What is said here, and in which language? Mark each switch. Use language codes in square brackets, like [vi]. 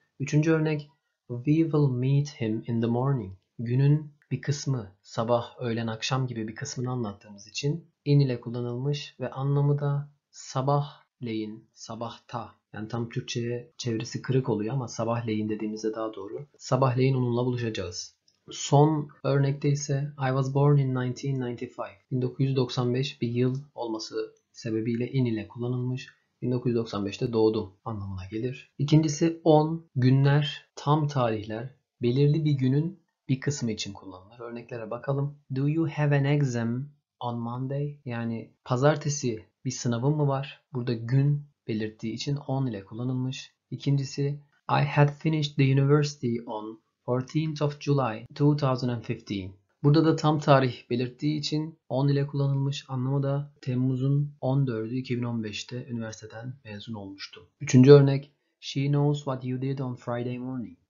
[tr] Üçüncü örnek, [en] we will meet him in the morning. [tr] Günün bir kısmı, sabah, öğlen, akşam gibi bir kısmını anlattığımız için in ile kullanılmış ve anlamı da sabahleyin, sabahta. Yani tam Türkçe'ye çevirisi kırık oluyor ama sabahleyin dediğimizde daha doğru. Sabahleyin onunla buluşacağız. Son örnekte ise [en] I was born in 1995. [tr] 1995 bir yıl olması sebebiyle in ile kullanılmış. 1995'te doğdum anlamına gelir. İkincisi on, günler, tam tarihler, belirli bir günün bir kısmı için kullanılır. Örneklere bakalım. [en] Do you have an exam on Monday? [tr] Yani pazartesi bir sınavın mı var? Burada gün belirttiği için on ile kullanılmış. [en] İkincisi I had finished the university on 14th of July 2015. [tr] Burada da tam tarih belirttiği için 10 ile kullanılmış. Anlamı da Temmuz'un 14'ü 2015'te üniversiteden mezun olmuştum. Üçüncü örnek. [en] She knows what you did on Friday morning.